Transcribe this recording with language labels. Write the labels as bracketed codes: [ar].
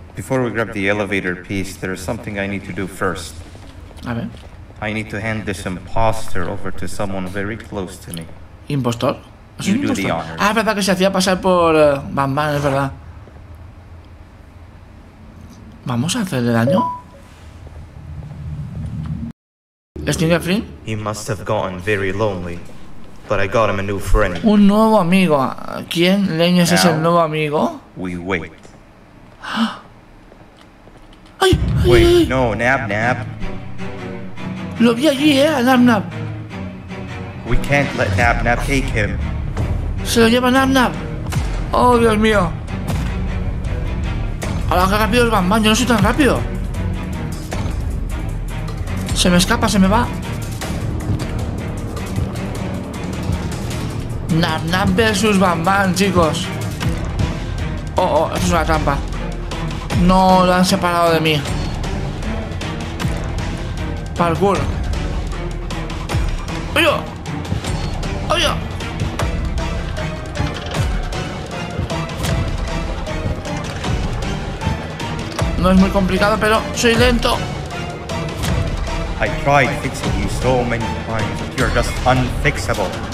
[en] Before we grab the elevator piece, there is something I need to do first. [es] A ver. [en] I need to hand this imposter over to someone very close to me. [es] ¿Impostor? [en] ¿Es you impostor? Do the honor. [es] Ah, es verdad que se hacía pasar por Batman, es verdad. ¿Vamos a hacerle daño? [en] He must have gotten very lonely, but I got him a new friend. [es] Un nuevo amigo. ¿Quién leñas es el nuevo amigo? [en] We wait. Ay, wait, ay, ay. [es] No, Nab. Lo vi allí, Nab. [en] We can't let Nab take him. [es] Se lo lleva Nab. Oh, Dios mío. Ahora que rápido es Batman, yo no soy tan rápido. Se me escapa, se me va. Nab versus Batman, chicos. Oh, oh, eso es una trampa. No, lo han separado de mí. Parkour. ¡Oye! ¡Oye! No es muy complicado, pero soy lento. [en] I tried fixing you so many times, but you're just unfixable.